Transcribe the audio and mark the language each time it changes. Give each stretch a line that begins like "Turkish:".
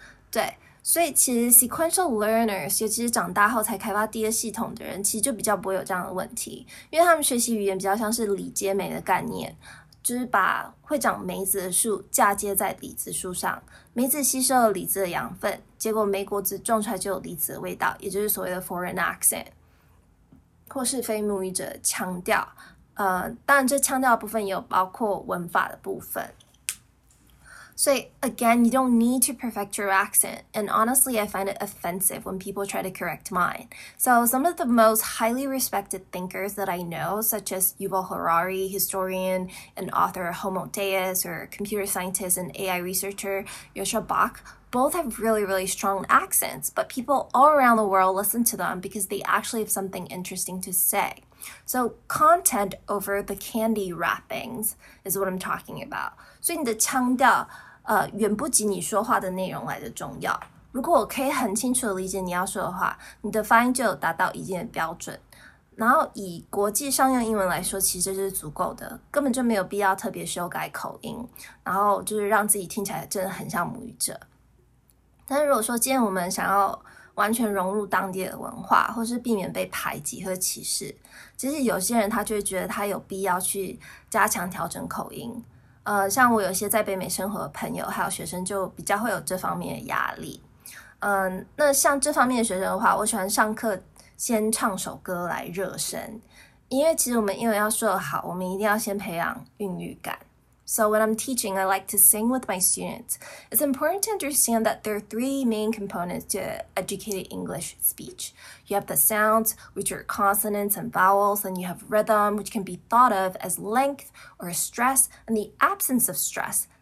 Chinese: 对，所以其实
English: sequential learners，
Chinese: 尤其是长大后才开发第二系统的人，其实就比较不会有这样的问题，因为他们学习语言比较像是李接梅的概念，就是把会长梅子的树嫁接在李子树上，梅子吸收了李子的养分，结果梅果子种出来就有李子的味道，也就是所谓的
English: foreign accent，
Chinese: 或是非母语者的腔调。当然这腔调的部分也有包括文法的部分。
English: So again, you don't need to perfect your accent. And honestly, I find it offensive when people try to correct mine. So some of the most highly respected thinkers that I know, such as Yuval Harari, historian and author Homo Deus, or computer scientist and AI researcher Yoshua Bach, both have really, really strong accents. But people all around the world listen to them because they actually have something interesting to say. So content over the candy wrappings is what I'm talking about.
Chinese: 所以你的腔调远不及你说话的内容来的重要。如果我可以很清楚的理解你要说的话，你的发音就有达到一定的标准。然后以国际商用英文来说，其实这是足够的，根本就没有必要特别修改口音，然后就是让自己听起来真的很像母语者。但是如果说今天我们想要完全融入当地的文化，或是避免被排挤和歧视，其实有些人他就会觉得他有必要去加强调整口音。像我有些在北美生活的朋友还有学生就比较会有这方面的压力。那像这方面的学生的话，我喜欢上课先唱首歌来热身，因为其实我们英文要说得好，我们一定要先培养韵律感。
English: So when I'm teaching, I like to sing with my students. It's important to understand that there are three main components to educated English speech. You have the sounds, which are consonants and vowels, and you have rhythm, which can be thought of as length or stress and the absence of stress.